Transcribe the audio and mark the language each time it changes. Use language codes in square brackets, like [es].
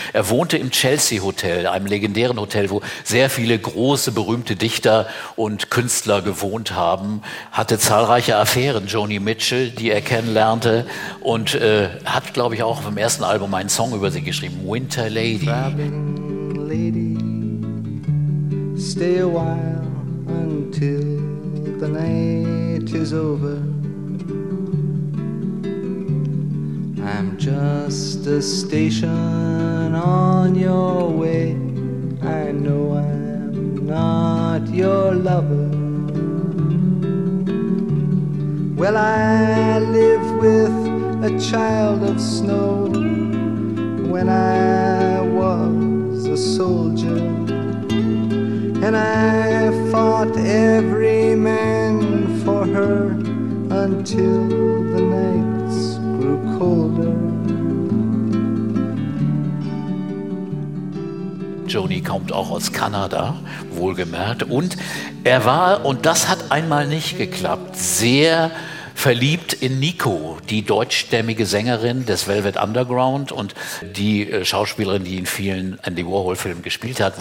[de] Er wohnte im Chelsea Hotel, einem legendären Hotel, wo sehr viele große, berühmte Dichter und Künstler gewohnt haben, hatte zahlreiche Affären, Joni Mitchell, die er kennenlernte, und hat, glaube ich, auch auf dem ersten Album einen Song über sie geschrieben, Winter Lady. [en] Stay a while until the night is over. I'm just a station on your way. I know I'm not your lover. Well, I live with a child of snow when I was a soldier. And I fought every man for her until the nights grew colder. [de] Joni kommt auch aus Kanada, wohlgemerkt. Und er war, und das hat einmal nicht geklappt, sehr verliebt in Nico, die deutschstämmige Sängerin des Velvet Underground und die Schauspielerin, die in vielen Andy Warhol-Filmen gespielt hat.